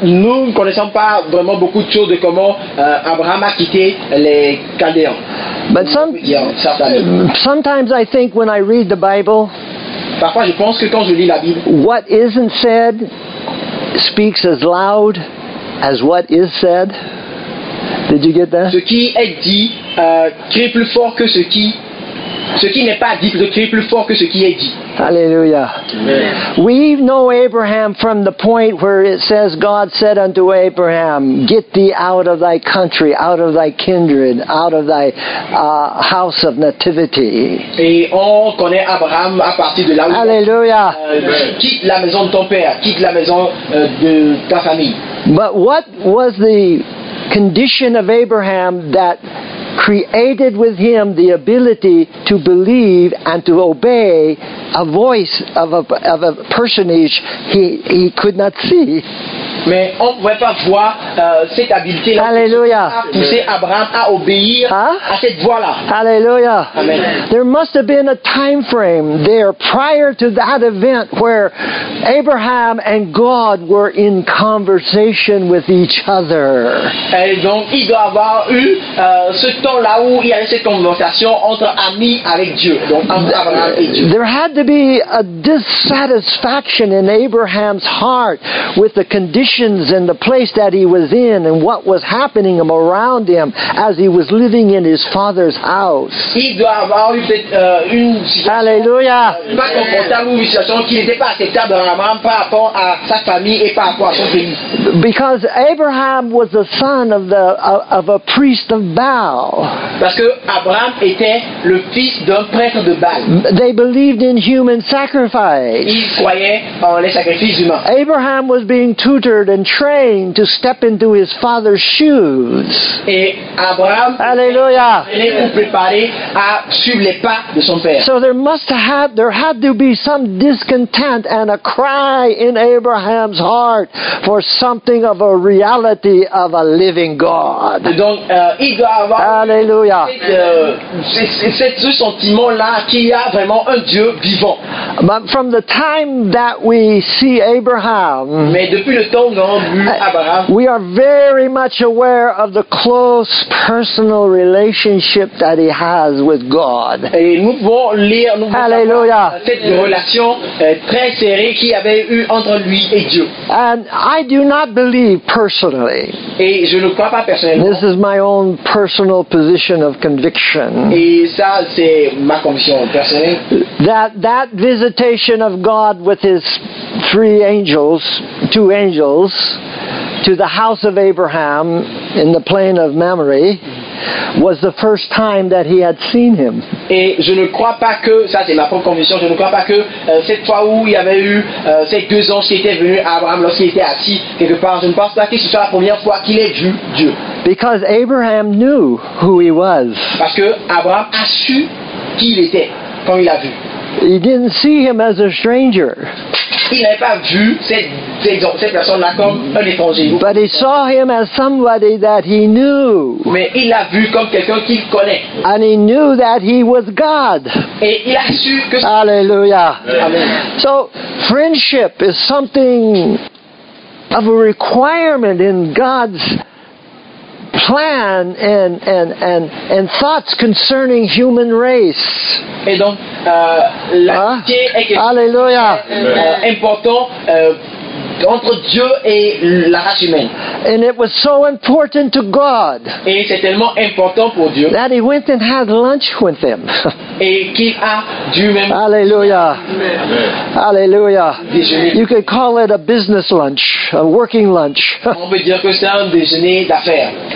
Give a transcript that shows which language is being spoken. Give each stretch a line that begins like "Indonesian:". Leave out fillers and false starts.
French: Nous ne connaissons pas vraiment beaucoup de choses de comment Abraham a quitté les Chaldéens.
English: But sometimes I think when I read the Bible,
French: parfois je pense que quand je lis la Bible,
English: what isn't said speaks as loud as what is said. Did you get that?
French: Ce qui est dit crie plus fort que ce qui n'est pas dit, le crie plus fort que ce qui est dit. Hallelujah. Amen.
English: We know Abraham from the point where it says God said unto Abraham, get thee out of thy country, out of thy kindred, out of thy house of nativity.
French: Et on connaît Abraham à partir de là où il est. Quitte la maison de ton père, quitte la maison de ta famille.
English: But what was the condition of Abraham that created with him the ability to believe and to obey a voice of a personage he could not see?
French: Mais on ne pouvait pas voir cette habileté là. Hallelujah. Qui a poussé Abraham à obéir, hein? À cette voix là. Hallelujah. Amen.
English: There must have been a time frame there prior to that event where Abraham and God were in conversation with each other.
French: Et donc il doit avoir eu ce temps là où il y avait cette conversation entre amis avec Dieu. Donc entre Abraham et Dieu.
English: There had to be a dissatisfaction in Abraham's heart with the condition conditions and the place that he was in and what was happening around him as he was living in his father's house.
French: Il doit avoir eu une situation, alléluia, pas confortable, une situation qui n'était pas acceptable vraiment par rapport à sa famille et par rapport à son pays.
English: Because Abraham was the son of the of a priest of Baal.
French: Parce que Abraham était le fils d'un prêtre de Baal.
English: They believed in human sacrifice.
French: Ils croyaient en les sacrifices humains.
English: Abraham was being tutored and trained to step into his father's shoes.
French: Et Abraham, alléluia, était préparé à suivre les pas de son père.
English: So there must have there had to be some discontent and a cry in Abraham's heart for something of a reality of a living God.
French: Donc il doit avoir, alléluia, ce sentiment là qu'il y a vraiment un Dieu vivant.
English: But from the time that we see Abraham,
French: mais depuis le temps où on a vu Abraham,
English: we are very much aware of the close personal relationship that he has with God.
French: Et nous pouvons lire, nous pouvons, alléluia, cette relation très serrée qu'il avait eu entre lui et Dieu.
English: And I do not believe personally.
French: Et je ne crois pas personnellement.
English: This is my own personal position of conviction.
French: Et ça, c'est ma conviction personnelle.
English: That visitation of God with his three angels, two angels, to the house of Abraham in the plain of Mamre, was the first time that he had seen him.
French: Et je ne crois pas que, ça c'est ma propre conviction, je ne crois pas que cette fois où il y avait eu ces deux anges qui étaient venus à Abraham lorsqu'il était assis quelque part, je ne pense pas que ce soit la première fois qu'il ait vu Dieu.
English: Because Abraham knew who he was.
French: Parce que Abraham a su qui il était quand il l'a vu.
English: He didn't see him as a stranger.
French: Il n'avait pas vu cette personne-là comme un étranger.
English: But he saw him as somebody that he knew.
French: Mais il l'a vu comme quelqu'un qu'il connaît.
English: And he knew that he was God.
French: Et il a su que. Alléluia. Amen.
English: So, friendship is something of a requirement in God's plan and thoughts concerning human race.
French: Et donc, l'amitié est quelque chose important entre Dieu et la race humaine.
English: And it was so important to God.
French: Et c'est tellement important pour Dieu.
English: That he went and had lunch with them.
French: Et qu'il a dû même. Alléluia. Alléluia. Déjeuner.
English: You could call it a business lunch, a working lunch.
French: On peut dire que c'est un déjeuner d'affaires.